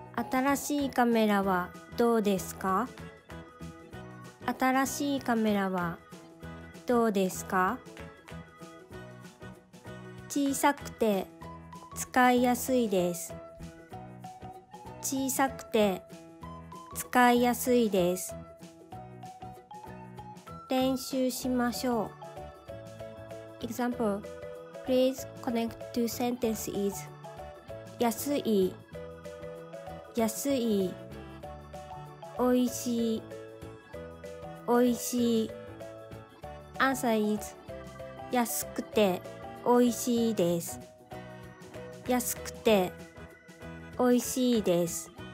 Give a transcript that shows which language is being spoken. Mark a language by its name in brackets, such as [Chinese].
[Japanese] 新しいカメラはどうですか？新しいカメラはどうですか？小さくて使いやすいです。小さくて使いやすいです。練習しましょう。 [English] Example: Please connect two sentences. [Japanese] 安い安い、おいしい、おいしい。 [English] Answer is [Japanese] 安くておいしいです。安くておいしいです。